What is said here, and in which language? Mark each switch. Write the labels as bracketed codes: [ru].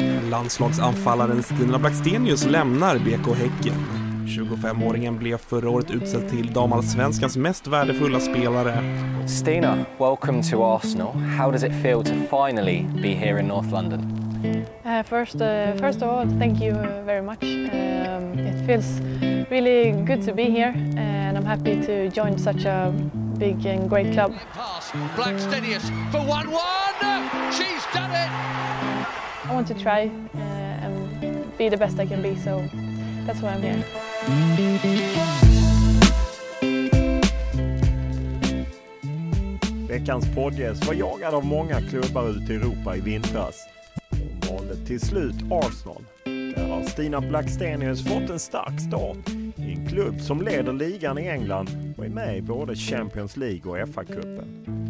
[sv] Landslagsanfallaren Stina Blackstenius lämnar BK Häcken. 25-åringen blev förra året utsedd till Damallsvenskans mest värdefulla spelare. [en] Stina, welcome to Arsenal. How does it feel to finally be here in North London? First of all, thank you very much. It feels really good to be here and I'm happy to join such a big and great club. Blackstenius for 1-1. She's done it. I want to try and be the best I can be, so that's why I'm here. [sv] Veckans podcast var jagad av många klubbar ute i Europa i vintras. Hon valde till slut Arsenal. Där har Stina Blackstenius fått en stark start i en klubb som leder ligan i England och är med i både Champions League och FA-cupen.